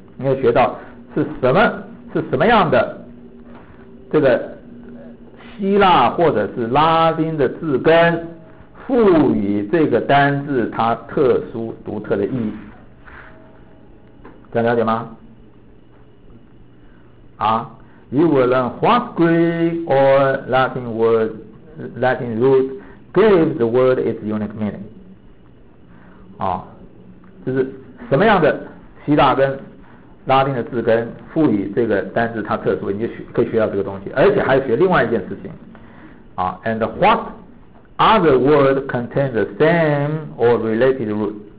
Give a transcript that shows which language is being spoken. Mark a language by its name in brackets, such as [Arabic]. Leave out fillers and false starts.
[Chinese] 你要学到是什么样的这个希腊或者是拉丁的字根赋予这个单字它特殊独特的意义，这样了解吗？ [English] 啊，you will learn what Greek or Latin word, Latin root gave the word its unique meaning. [Chinese] 啊，就是什么样的希腊跟拉丁的字根赋予这个单字它特殊，你就学可以学到这个东西，而且还学另外一件事情。 [English] 啊 ，and what other word contains the same or related root?